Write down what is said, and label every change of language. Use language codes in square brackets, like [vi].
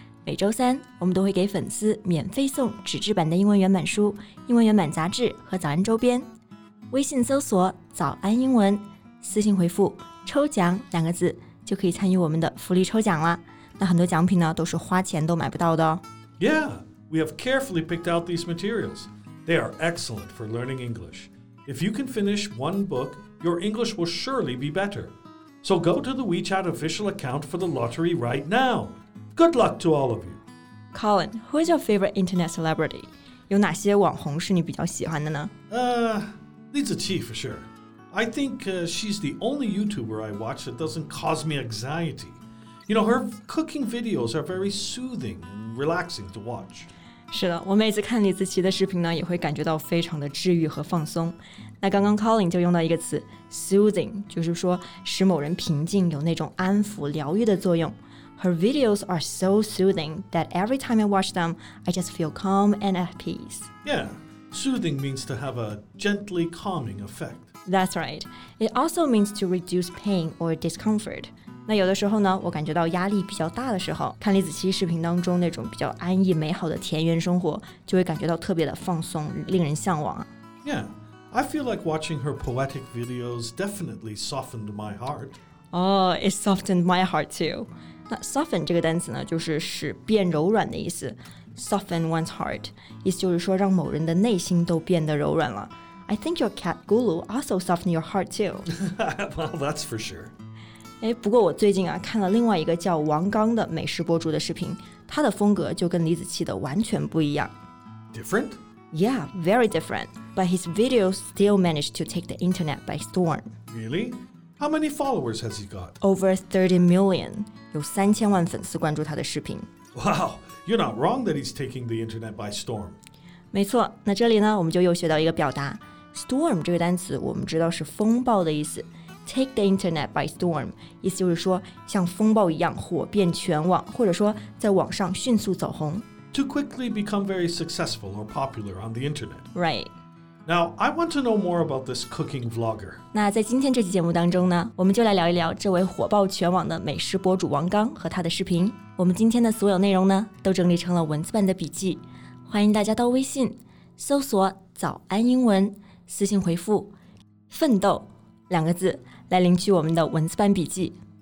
[zh] 每周三，我们都会给粉丝免费送纸质版的英文原版书、英文原版杂志和早安周边。微信搜索“早安英文”，私信回复“抽奖”两个字，就可以参与我们的福利抽奖了。那很多奖品呢，都是花钱都买不到的哦。 [en] Yeah. We have carefully picked out these materials. They are excellent for learning English. If you can finish one book, your English will surely be better. So go to the WeChat official account for the lottery right now. Good luck to all of you. Colin, who is your favorite internet celebrity? [zh] 有哪些网红是你比较喜欢的呢？ [en] Lisa Chi for sure. I think she's the only YouTuber I watch that doesn't cause me anxiety. You know, her cooking videos are very soothing and relaxing to watch. [zh] 是的，我每次看李子柒的视频呢，也会感觉到非常的治愈和放松。那刚刚 Colin 就用到一个词 soothing， 就是说使某人平静，有那种安抚疗愈的作用。 [en] Her videos are so soothing that every time I watch them, I just feel calm and at peace. Yeah, soothing means to have a gently calming effect. That's right. It also means to reduce pain or discomfort. [zh] 那有的时候呢，我感觉到压力比较大的时候，看李子柒视频当中那种比较安逸美好的田园生活，就会感觉到特别的放松，令人向往。 [en] Yeah, I feel like watching her poetic videos definitely softened my heart. Oh, it softened my heart too. [zh] 那 soften 这个单词呢，就是使变柔软的意思。 [en] Soften one's heart, [zh] 意思就是说让某人的内心都变得柔软了。 [en] I think your cat Gulu also softened your heart too. Well, that's for sure. [zh] 哎，不过我最近啊看了另外一个叫王刚的美食博主的视频，他的风格就跟李子柒的完全不一样。 [en] Different? Yeah, very different. But his videos still managed to take the internet by storm. Really? How many followers has he got? Over 30 million. [zh] 有3000万粉丝关注他的视频。 [en] Wow, you're not wrong that he's taking the internet by storm. [zh] 没错，那这里呢我们就又学到一个表达。Storm 这个单词我们知道是风暴的意思。 [en] Take the internet by storm, [zh] 意思就是说像风暴一样火遍全网，或者说在网上迅速走红。 [en] To quickly become very successful or popular on the internet. Right. Now, I want to know more about this cooking vlogger. [zh] 那在今天这期节目当中呢，我们就来聊一聊这位火爆全网的美食博主王刚和他的视频。我们今天的所有内容呢，都整理成了文字版的笔记。欢迎大家到微信搜索早安英文，私信回复奋斗两个字来领取我们的文字版笔记。